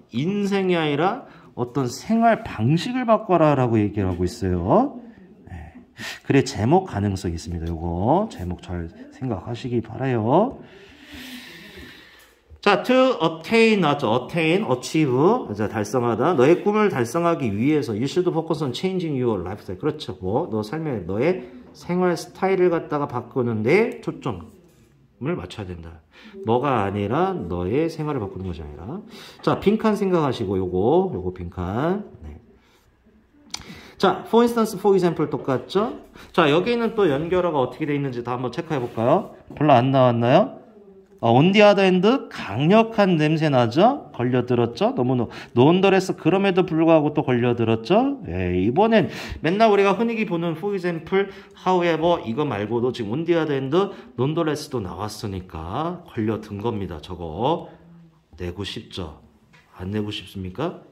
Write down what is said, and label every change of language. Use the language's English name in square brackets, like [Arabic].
[Korean] 인생이 아니라 어떤 생활 방식을 바꿔라 라고 얘기를 하고 있어요. 네. 그래 제목 가능성이 있습니다. 요거 제목 잘 생각하시기 바라요. 자, [English] to attain, not to attain, achieve, [Korean] 자, 달성하다. 너의 꿈을 달성하기 위해서 [English] you should focus on changing your lifestyle. [Korean] 그렇죠. 뭐, 너 삶에 너의 생활 스타일을 갖다가 바꾸는데 초점 을 맞춰야 된다. 뭐가 아니라 너의 생활을 바꾸는 것이 아니라. 자, 빈칸 생각하시고 요거 빈칸. 네. 자, [English] for instance, for example [Korean] 똑같죠? 자, 여기는 또 연결어가 어떻게 돼 있는지 다 한번 체크해 볼까요? 별로 안 나왔나요? [English] On the other hand, [Korean] 강력한 냄새 나죠? 걸려들었죠? 너무 논더레스 그럼에도 불구하고 또 걸려들었죠? 예, 이번엔 맨날 우리가 흔히 보는 [English] for example, however, [Korean] 이거 말고도 지금 [English] on the other hand, [Korean] 논더레스도 나왔으니까 걸려든 겁니다. 저거 내고 싶죠? 안 내고 싶습니까?